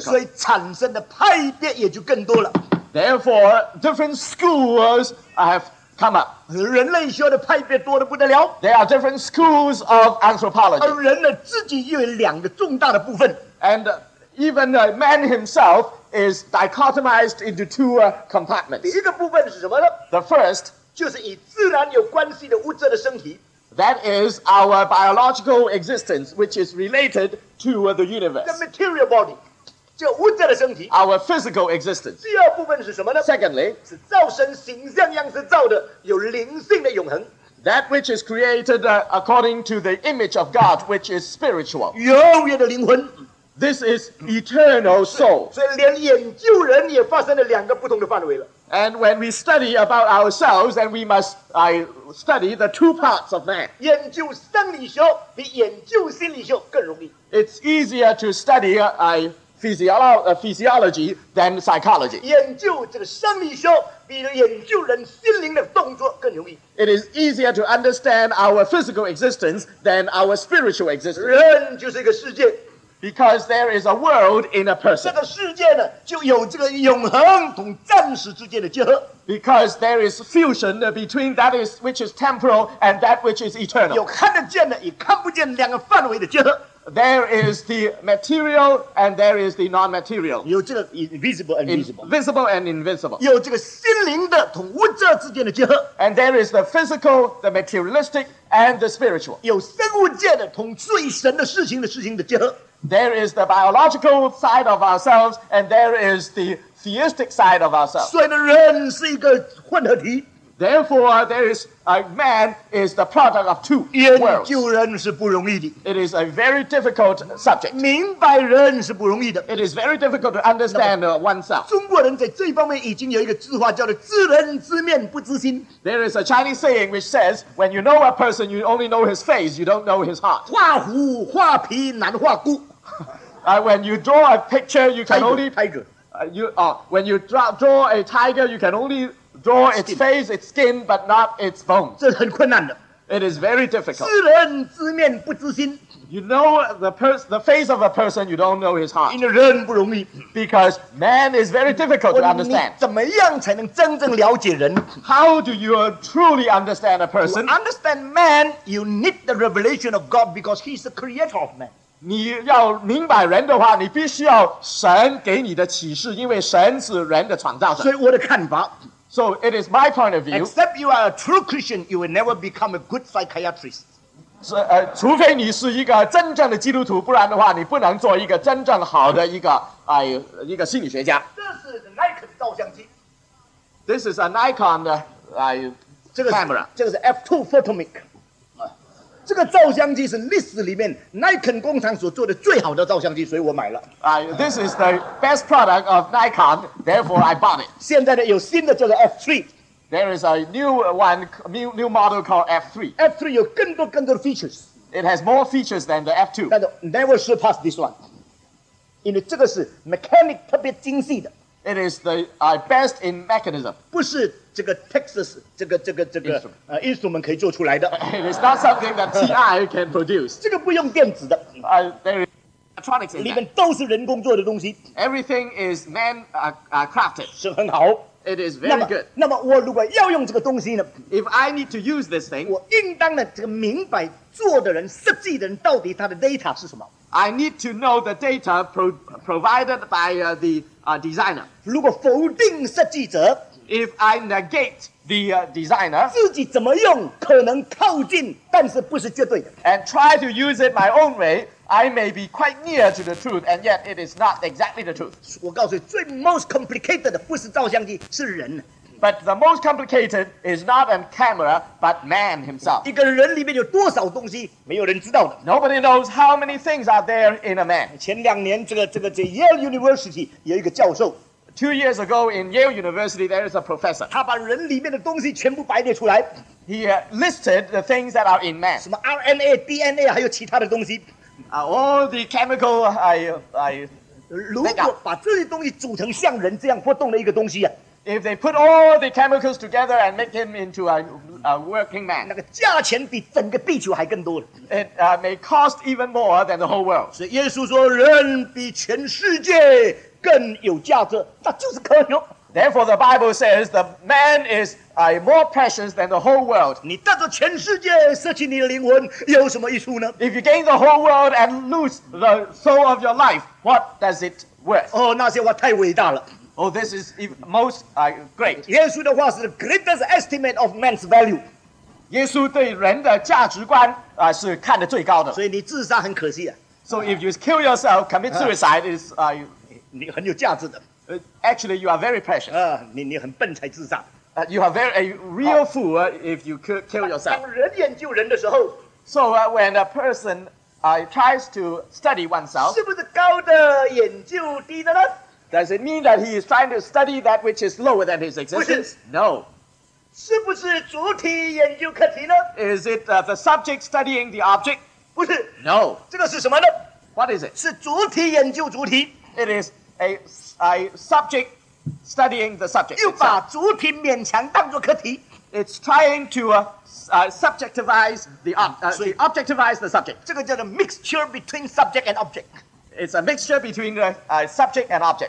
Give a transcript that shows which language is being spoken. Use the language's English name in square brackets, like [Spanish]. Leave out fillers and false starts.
[Chinese] 所以产生的派别也就更多了。 [English] Therefore, different schools have come up. [Chinese] 人类学的派别多得不得了。 [English] There are different schools of anthropology. [Chinese] 而人呢，自己又有两个重大的部分。 [English] And even man himself is dichotomized into two compartments. [Chinese] 第一个部分是什么呢 [English] ？The first. [Chinese] 就是以自然有关系的物质的身体。 [English] That is our biological existence, which is related to the universe. The material body, [Chinese] 这物质的身体。 [English] Our physical existence. [Chinese] 第二部分是什么呢 [English] ？Secondly, [Chinese] 是造神形象样式造的，有灵性的永恒。 [English] That which is created according to the image of God, which is spiritual. [Chinese] 永远的灵魂。 [English] This is eternal soul. [Chinese] 所以连研究人也发生了两个不同的范围了。 [English] And when we study about ourselves, then we must study the two parts of man. [Chinese] 研究生理学比研究心理学更容易。 [English] It's easier to study physiology than psychology. [Chinese] 研究这个生理学比研究人心灵的动作更容易。 [English] It is easier to understand our physical existence than our spiritual existence. [Chinese] 人就是一个世界。 [English] Because there is a world in a person. [Chinese] 这个世界呢，就有这个永恒同暂时之间的结合。 [English] Because there is fusion between that is which is temporal and that which is eternal. [Chinese] 有看得见的与看不见两个范围的结合。 [English] There is the material and there is the non-material. [Chinese] 有这个 [English] invisible and visible. Invisible and invisible. [Chinese] 有这个心灵的同物质之间的结合。 [English] And there is the physical, the materialistic, and the spiritual. [Chinese] 有生物界的同最神的事情的事情的结合。 [English] There is the biological side of ourselves, and there is the theistic side of ourselves. [Chinese] 所以人是一个混合体。 [English] Therefore, there is a man is the product of two worlds. [Chinese] 研究人是不容易的。 [English] It is a very difficult subject. [Chinese] 明白人是不容易的。 [English] It is very difficult to understand oneself. [Chinese] 中国人在这方面已经有一个字话叫做自人自面不自心。 [English] There is a Chinese saying which says, when you know a person, you only know his face, you don't know his heart. [Chinese] 画虎画皮难画骨。 [English] When you draw a picture, you can only... Tiger. When you draw a tiger, you can only... Draw its face, its skin, but not its bones. [Chinese] 这是很困难的。 [English] It is very difficult. [Chinese] 自人自面不自心。 [English] You know the face of a person, you don't know his heart. [Chinese] 因为人不容易。 [English] Because man is very difficult to understand. [Chinese] 怎么样才能真正了解人 [English] ？How do you truly understand a person? To understand man, you need the revelation of God because He's the creator of man. [Chinese] 你要明白人的话，你必须要神给你的启示，因为神是人的创造者。所以我的看法。 [English] So it is my point of view. Except you are a true Christian, you will never become a good psychiatrist. [Chinese] 除非你是一个真正的基督徒，不然的话，你不能做一个真正好的一个心理学家。这是 Nikon 照相机。 [English] This is a Nikon 的 camera. [Chinese] 这个是 F2 photomic. 这个照相机是历史里面耐肯工厂所做的最好的照相机，所以我买了。 [English] This is the best product of Nikon, therefore I bought it. [Chinese] 现在呢，有新的叫做 F3。 [English] There is a new model called F3. [Chinese] F3 有更多的 features. [English] It has more features than the F2. [Chinese] 但是 [English] never surpass this one. [Chinese] 因为这个是 mechanic 特别精细的。 [English] It is the best in mechanism. [Chinese] 不是这个 Texas 这个 [English] instrument. [Chinese] Instrument 可以做出来的。 [English] It is not something that TI can produce. [Chinese] 这个不用电子的。 [English] There is electronics in it. [Chinese] 里面都是人工做的东西。 [English] Everything is man crafted. [Chinese] 是很好。 [English] It is very good. [Chinese] 那么我如果要用这个东西呢 [English] ？If I need to use this thing, [Chinese] 我应当呢这个明白做的人、设计的人到底他的 data 是什么 [English] ？I need to know the data provided by the designer. [Chinese] 如果否定设计者 [English] ，If I negate the designer, [Chinese] 自己怎么用可能靠近，但是不是绝对的 [English] ？And try to use it my own way. I may be quite near to the truth, and yet it is not exactly the truth. [Chinese] 我告诉你，最 [English] most complicated [Chinese] 的不是照相机，是人。 [English] But the most complicated is not a camera, but man himself. [Chinese] 一个人里面有多少东西，没有人知道的。 [English] Nobody knows how many things are there in a man. [Chinese] 前两年，这个 Yale University 有一个教授。 [English] Two years ago in Yale University, there is a professor. [Chinese] 他把人里面的东西全部排列出来。 [English] He listed the things that are in man. [Chinese] 什么 RNA, DNA, 还有其他的东西。 [English] All the chemical, I [Chinese] 如果把这些东西组成像人这样活动的一个东西啊 [English] ，If they put all the chemicals together and make him into a working man, [Chinese] 那个价钱比整个地球还更多了。 [English] It may cost even more than the whole world. [Chinese] 所以耶稣说，人比全世界更有价值，那就是可能。 [English] Therefore, the Bible says the man is more precious than the whole world. [Chinese] 你带着全世界失去你的灵魂有什么益处呢 [English] ？If you gain the whole world and lose the soul of your life, what does it worth? [Chinese] 哦，那些话太伟大了。 [English] Oh, this is most great. [Chinese] 耶稣的话是 [English] the greatest estimate of man's value. [Chinese] 耶稣对人的价值观是看得最高的。所以你自杀很可惜啊。 [English] So if you kill yourself, commit suicide is [Chinese] 你很有价值的。 [English] Actually, you are very precious. [Chinese] 你很笨才自杀。 [English] You are very a real fool if you kill yourself. [Chinese] 当人研究人的时候 [English] ，So when a person tries to study oneself, [Chinese] 是不是高的研究低的呢 [English] ？Does it mean that he is trying to study that which is lower than his existence? No. [Chinese] 是不是主体研究课题呢 [English] ？Is it the subject studying the object? [Chinese] 不是。 [English] No. [Chinese] 这个是什么呢 [English] ？What is it? [Chinese] 是主体研究主体。 [English] It is. A subject studying the subject. [Chinese] 又把主体勉强当作课题。 [English] It's trying to subjectivize the objectivize the subject. [Chinese] 这个叫做 [English] mixture between subject and object. It's a mixture between a subject and object.